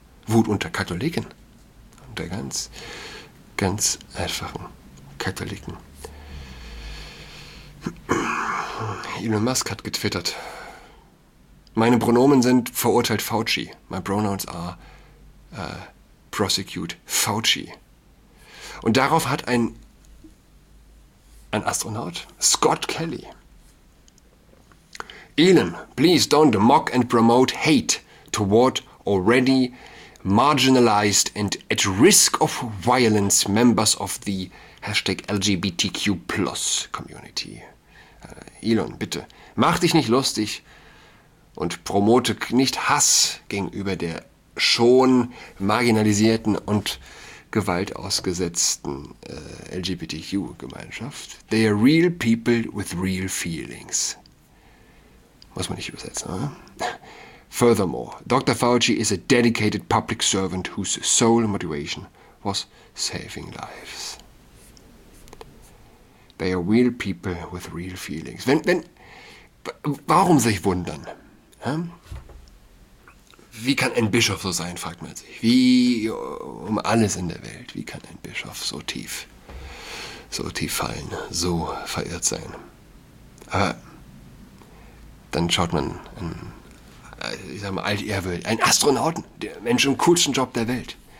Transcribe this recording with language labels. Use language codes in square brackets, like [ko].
[de] Wut unter Katholiken, unter ganz, ganz einfachen Katholiken. Elon Musk hat getwittert, meine Pronomen sind verurteilt Fauci. [en] My pronouns are prosecute Fauci. [de] Und darauf hat ein Astronaut, [en] Scott Kelly, Elon, please don't mock and promote hate toward already marginalized and at risk of violence members of the #LGBTQ+ community. [de] Elon, bitte, mach dich nicht lustig und promote nicht Hass gegenüber der schon marginalisierten und Gewalt ausgesetzten LGBTQ-Gemeinschaft. [en] They are real people with real feelings. [de] Muss man nicht übersetzen, oder? [en] Furthermore, Dr. Fauci is a dedicated public servant whose sole motivation was saving lives. They are real people with real feelings. [de] Warum sich wundern? Hä? Wie kann ein Bischof so sein, fragt man sich. Wie um alles in der Welt, wie kann ein Bischof so tief fallen, so verirrt sein? Aber dann schaut man einen Astronauten, der Mensch im coolsten Job der Welt.